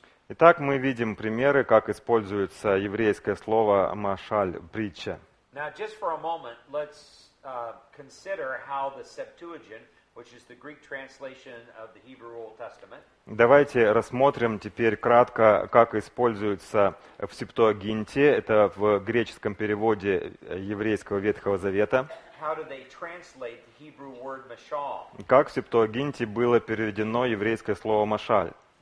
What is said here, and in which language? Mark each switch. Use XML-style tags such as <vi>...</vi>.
<ru>Итак, мы видим примеры, как используется еврейское слово «машаль», «притча».</ru> <en>Now, just for a moment, let's consider how the Septuagint, which is the Greek translation of the Hebrew Old Testament.</en> <ru>Давайте рассмотрим теперь кратко, как используется в Септуагинте, это в греческом переводе еврейского Ветхого Завета.</ru> <en>How do they translate the Hebrew word mashal?</en> <ru>Как в Септуагинте было переведено еврейское слово машаль?</ru>